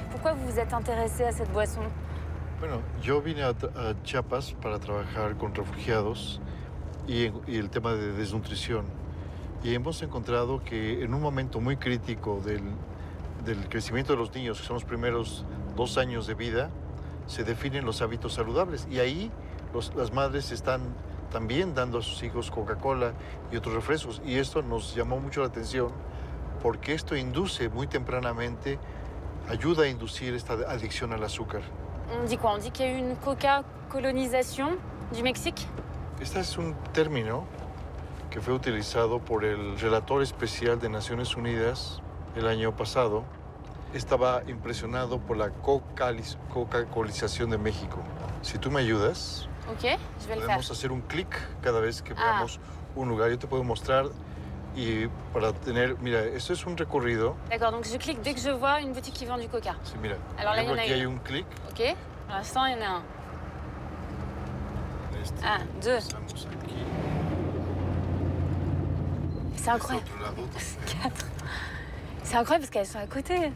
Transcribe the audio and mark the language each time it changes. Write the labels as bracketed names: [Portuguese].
[French] Pourquoi vous vous êtes intéressé à cette boisson? [Spanish] Bueno, yo vine a Chiapas para trabajar con refugiados y el tema de desnutrición. Y hemos encontrado que en un momento muy crítico del crecimiento de los niños, que son los primeros 2 años de vida, se definen los hábitos saludables y ahí las madres están también dando a sus hijos Coca-Cola y otros refrescos y esto nos llamó mucho la atención porque esto induce muy tempranamente, ayuda a inducir esta adicción al azúcar. [French] On dit quoi? On dit qu'il y a une coca colonisation du Mexique. [Spanish] Este es un término que fue utilizado por el relator especial de Naciones Unidas el año pasado, estaba impresionado por la coca-colización de México. Si tú me ayudas, podemos hacer un clic cada vez que veamos un lugar. Yo te puedo mostrar y para tener... Mira, esto es un recorrido. [French] D'accord, donc je clique dès que je vois une boutique qui vend du coca. [Spanish] Sí, mira. Alors, aquí hay un clic. [French] Ok. Pour l'instant, il y en a un. Deux. C'est incroyable. Quatre. C'est incroyable parce qu'elles sont à côté.